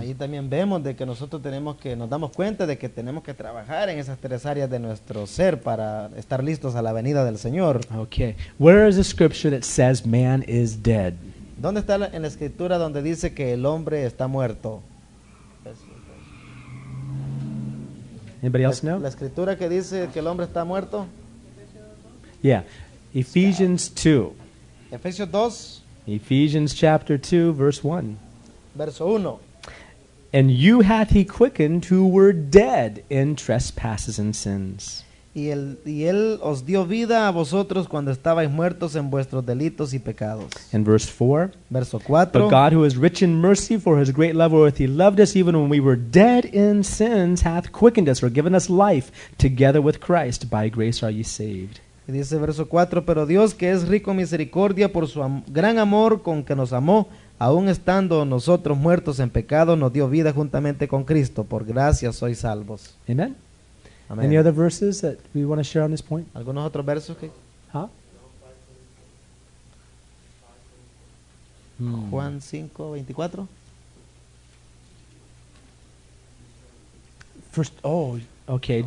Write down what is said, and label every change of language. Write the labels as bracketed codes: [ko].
[es] Ahí también vemos de que nosotros tenemos que, nos damos cuenta de que tenemos que trabajar en esas tres áreas de nuestro ser para estar listos a la venida del Señor. [en] Okay, where is the scripture that says man is dead? [es] ¿Dónde está en la escritura donde dice que el hombre está muerto? [en] Anybody else know? [es] La escritura que dice que el hombre está muerto. [en] Yeah, Ephesians 2. [es] Efesios 2. [en] Ephesians chapter 2, verse 1. [es] Verso 1. [en] And you hath he quickened who were dead in trespasses and sins. [es] Y él os dio vida a vosotros cuando estabais muertos en vuestros delitos y pecados. [en] In verse 4. [es] Verso 4. [en] But God, who is rich in mercy, for his great love wherewith he loved us, even when we were dead in sins, hath quickened us, or given us life, together with Christ. By grace are ye saved. [es] Y dice verso 4, pero Dios, que es rico en misericordia por su gran amor con que nos amó, aun estando nosotros muertos en pecado, nos dio vida juntamente con Cristo. Por gracia sois salvos. [en] Amen. Amen. Any other verses that we want to share on this point? [es] ¿Algunos otros versos que? Huh? Juan 5:24.